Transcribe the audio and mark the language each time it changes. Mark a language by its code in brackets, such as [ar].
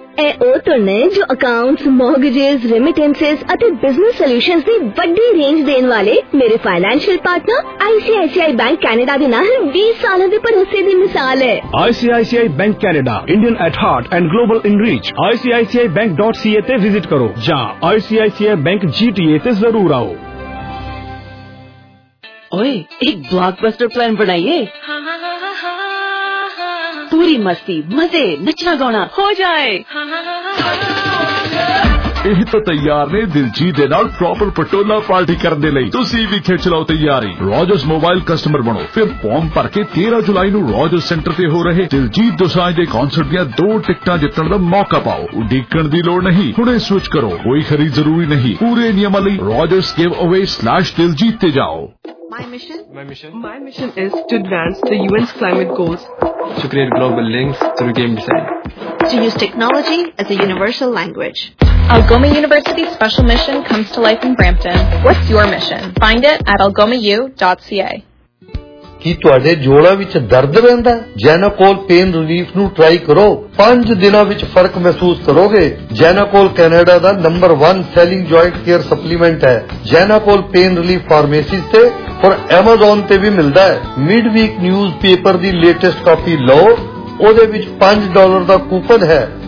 [pa] ਇਹ ਉਹ ਤੁਹਾਨੂੰ ਜੋ ਅਕਾਊਂਟਸ, ਮੋਰਗੇਜਸ, ਰੇਮਿਟੈਂਸਿਸ ਅਤੇ ਬਿਜ਼ਨਸ ਸੋਲੂਸ਼ਨਸ ਦੀ ਵੱਡੀ ਰੇਂਜ ਦੇਣ ਵਾਲੇ ਮੇਰੇ financial partner ICICI bank Canada ਦੇ ਨਾਲ 20 ਸਾਲਾਂ ਦੇ ਭਰੋਸੇ ਦੀ ਮਿਸਾਲ ਹੈ। [en] ICICI bank Canada, Indian at heart and global in reach. [pa] ICICI bank.ca ਤੇ ਵਿਜ਼ਿਟ ਕਰੋ ਜਾਂ ICICI ਬੈਂਕ GTA ਤੇ ਜ਼ਰੂਰ ਆਓ। [hi] ओए, एक ब्लॉकबस्टर प्लान बनाइए। पूरी मस्ती, मजे, नचना गाना हो जाए। [pa] ਇਹ ਤਾਂ ਤਿਆਰ ਨੇ ਦਿਲਜੀਤ ਦੇ ਨਾਲ ਪ੍ਰੋਪਰ ਪਟੋਲਾ ਪਾਰਟੀ ਕਰਨ ਦੇ ਲਈ। ਤੁਸੀਂ ਵੀ ਖਿੱਚ ਲਓ ਤਿਆਰੀ, ਰੋਜਸ ਮੋਬਾਈਲ ਕਸਟਮਰ ਬਣੋ, ਫਿਰ ਫਾਰਮ ਭਰ ਕੇ 13 ਜੁਲਾਈ ਨੂੰ ਰੋਜਸ ਸੈਂਟਰ ਤੇ ਹੋ ਰਹੇ ਦਿਲਜੀਤ ਦੋਸਾਂਝ ਦੇ ਕਾਨਸਰਟ ਦੀਆਂ 2 ਟਿਕਟਾਂ ਜਿੱਤਣ ਦਾ ਮੌਕਾ ਪਾਓ। ਉਡੀਕਣ ਦੀ ਲੋੜ ਨਹੀਂ, ਹੁਣੇ ਸਵਿਚ ਕਰੋ, ਕੋਈ ਖਰੀਦ ਜ਼ਰੂਰੀ ਨਹੀਂ। ਪੂਰੇ ਨਿਯਮਾਂ ਲਈ ਰੋਜਸ ਗਿਵ ਅਵੇ / ਦਿਲਜੀਤ ਤੇ ਜਾਓ। [en] My mission is to advance the UN's climate goals, to create global links through game design, to use technology as a universal language. Algoma University's special mission comes to life in Brampton. What's your mission? Find it at algomau.ca. [pa] ਕੀ ਤੁਹਾਡੇ ਜੋੜਾਂ ਵਿੱਚ ਦਰਦ ਰਹਿੰਦਾ? ਜੈਨਾਕੋਲ pain relief ਨੂੰ try ਕਰੋ, 5 ਦਿਨਾਂ ਵਿੱਚ ਫਰਕ ਮਹਿਸੂਸ ਕਰੋਗੇ। ਜੈਨਾਕੋਲ ਕੈਨੇਡਾ ਦਾ number 1 selling joint care supplement ਹੈ। ਜੈਨਾਕੋਲ ਪੇਨ ਰਿਲੀਫ ਫਾਰਮੇਸੀ ਤੇ ਔਰ ਐਮਾਜ਼ਾਨ ਤੇ ਵੀ ਮਿਲਦਾ ਹੈ। ਮਿਡ ਵੀਕ ਨਿਊਜ਼ ਪੇਪਰ ਦੀ ਲੇਟੈਸਟ ਕਾਪੀ ਲਓ, ਉਹਦੇ ਵਿੱਚ $5 ਦਾ ਕੂਪਨ ਹੈ।